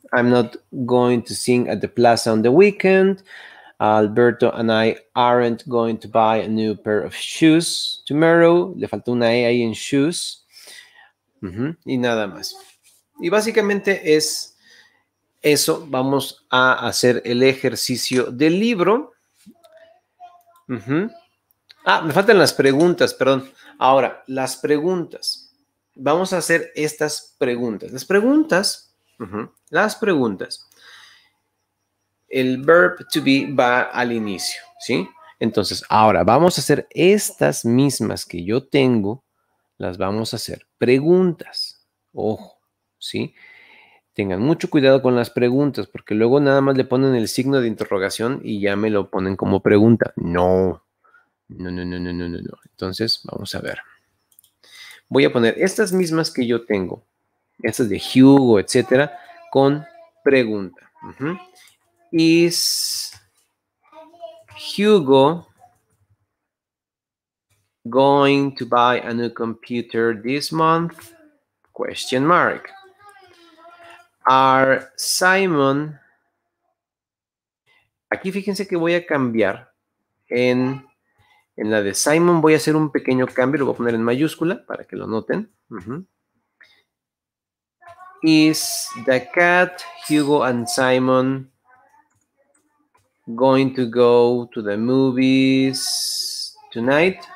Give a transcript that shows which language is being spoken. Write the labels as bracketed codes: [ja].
[en] I'm not going to sing at the plaza on the weekend. Alberto and I aren't going to buy a new pair of shoes tomorrow. [es] Le faltó una E ahí en shoes. Uh-huh. Y nada más. Y básicamente es eso. Vamos a hacer el ejercicio del libro. Uh-huh. Ah, me faltan las preguntas, perdón. Ahora, las preguntas. Vamos a hacer estas preguntas. Las preguntas. Uh-huh. Las preguntas. el verb to be va al inicio, ¿sí? Entonces, ahora vamos a hacer estas mismas que yo tengo, las vamos a hacer preguntas. Ojo, ¿sí? Tengan mucho cuidado con las preguntas, porque luego nada más le ponen el signo de interrogación y ya me lo ponen como pregunta. No, no, no, no, no, no, no. Entonces, vamos a ver. Voy a poner estas mismas que yo tengo, estas de Hugo, etcétera, con pregunta. Uh-huh. [en] Is Hugo going to buy a new computer this month? Question mark. Are Simon... [es] Aquí fíjense que voy a cambiar en la de Simon. Voy a hacer un pequeño cambio. Lo voy a poner en mayúscula para que lo noten. Uh-huh. [en] Is the cat, Hugo and Simon going to go to the movies tonight?